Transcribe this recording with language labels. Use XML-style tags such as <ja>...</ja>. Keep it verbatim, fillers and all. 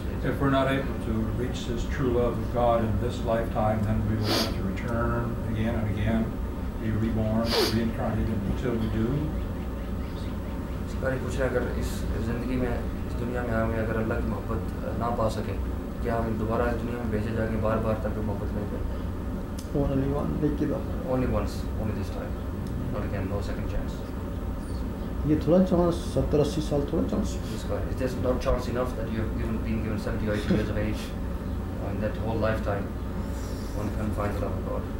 <en>If we're not able to reach this true love of God in this lifetime, then we will have to return again and again, be reborn, reincarnated until we do.</en> <ur>سارے پوچھیں اگر اس زندگی میں اس دنیا میں ہمیں اگر اللہ کی محبت نہ پا سکیں کیا ہم دوبارہ اس دنیا میں بھیجے جائیں گے بار بار تک محبت نہیں کریں؟</ur> <en>Only one,</en> <ur>ایک ہی بار.</ur> <en>Only once, only this time. Not again, no second chance.</en> <ur>یہ تھوڑا چانس ستر اسی سال تھوڑا chance</ur> <en>is this not chance enough that you have given been given seventy or eighty years of age and that whole lifetime one can find the love of God.</en>